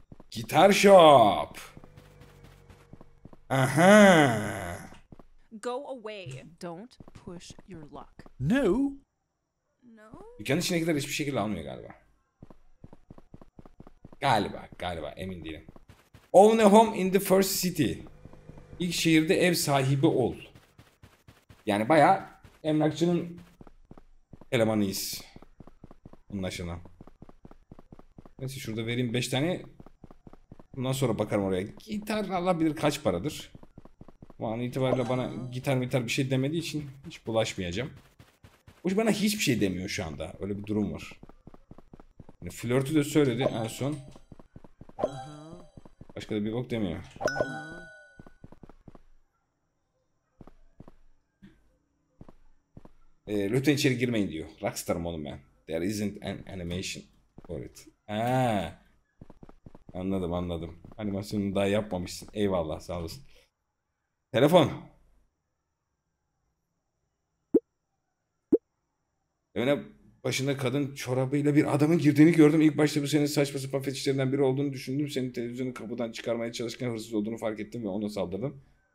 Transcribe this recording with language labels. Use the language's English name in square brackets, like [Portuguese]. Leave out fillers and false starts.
[Turkish] Gitar shop. Aha. [English] Go away. Don't push your luck. No. No. [Turkish] Dükkanın içine kadar hiçbir şekilde almıyor galiba. Galiba emin değilim. [English] Own a home in the first city. [Turkish] İlk şehirde ev sahibi ol. Yani bayağı emlakçının elemanıyız. Anlaşılan. Neyse şurada vereyim 5 tane. Bundan sonra bakarım oraya. Gitar Allah bilir kaç paradır. Bu an itibariyle bana gitar mitar bir şey demediği için hiç bulaşmayacağım. Bu bana hiçbir şey demiyor şu anda. Öyle bir durum var. Yani flörtü de söyledi en son. Başka da bir bok demiyor. Lütfen içeri girmeyin diyor. Rockstar'ım oğlum ben. [English] There isn't an animation for it. [Turkish] Anladım. Animasyonunu daha yapmamışsın. Eyvallah, sağ olasın. Telefon. Evine başında kadın çorabıyla bir adamın girdiğini gördüm. İlk başta bu senin saçma sapan fetişlerinden biri olduğunu düşündüm. Senin televizyonu kapıdan çıkarmaya çalışırken hırsız olduğunu fark ettim ve ona saldırdım.